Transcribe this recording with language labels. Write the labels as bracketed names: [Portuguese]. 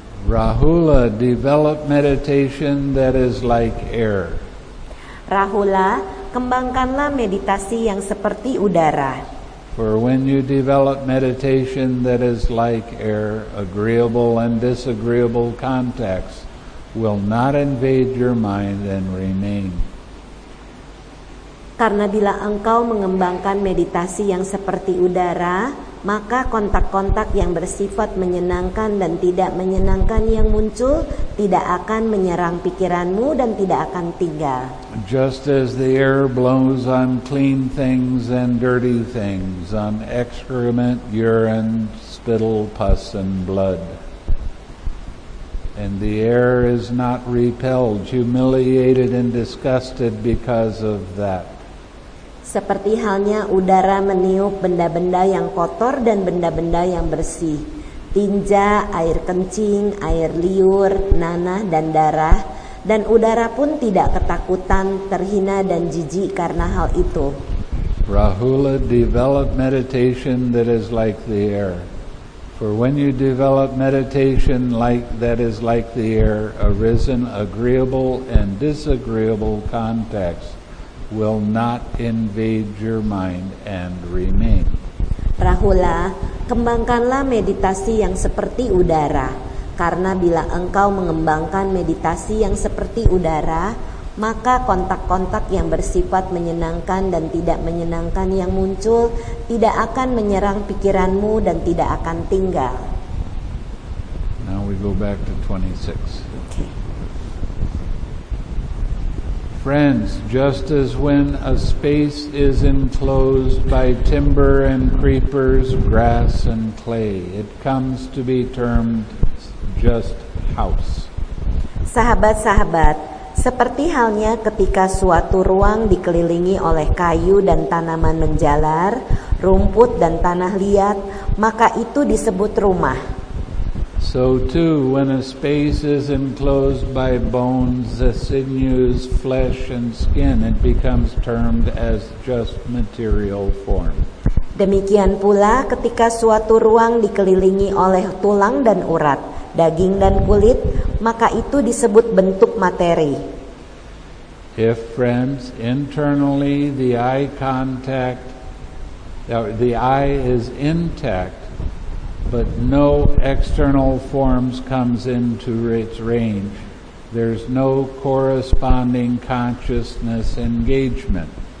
[English] Rahula develop meditation that is like air. [Indonesian] Rahula, kembangkanlah meditasi yang seperti udara. [English] For when you develop meditation that is like air, agreeable and disagreeable contacts will not invade your mind and remain. [Indonesian] Karena bila engkau mengembangkan meditasi yang seperti udara, maka kontak-kontak yang bersifat menyenangkan dan tidak menyenangkan yang muncul tidak akan menyerang pikiranmu dan tidak akan tinggal. [English] Just as the air blows on clean things and dirty things, on excrement, urine, spittle, pus, and blood. And the air is not repelled, humiliated, and disgusted because of that. [Indonesian] Seperti halnya udara meniup benda-benda yang kotor dan benda-benda yang bersih, tinja, air kencing, air liur, nanah, dan darah, dan udara pun tidak ketakutan, terhina, dan jijik karena hal itu. [English] Rahula, develop meditation that is like the air. For when you develop meditation like that is like the air, arisen agreeable and disagreeable contacts will not invade your mind and remain. [Indonesian] Rahula, kembangkanlah meditasi yang seperti udara. Karena bila engkau mengembangkan meditasi yang seperti udara, maka kontak-kontak yang bersifat menyenangkan dan tidak menyenangkan yang muncul tidak akan menyerang pikiranmu dan tidak akan tinggal. [English] Now we go back to 26. Friends, just as when a space is enclosed by timber and creepers, grass and clay, it comes to be termed just house. [Indonesian] Sahabat-sahabat, seperti halnya ketika suatu ruang dikelilingi oleh kayu dan tanaman menjalar, rumput dan tanah liat, maka itu disebut rumah. [English] So too, when a space is enclosed by bones, the sinews, flesh, and skin, it becomes termed as just material form. [Indonesian] Demikian pula ketika suatu ruang dikelilingi oleh tulang dan urat, daging dan kulit, maka itu disebut bentuk materi. [English] If, friends, internally the eye contact, the eye is intact, but no external forms comes into its range. There's no corresponding consciousness engagement.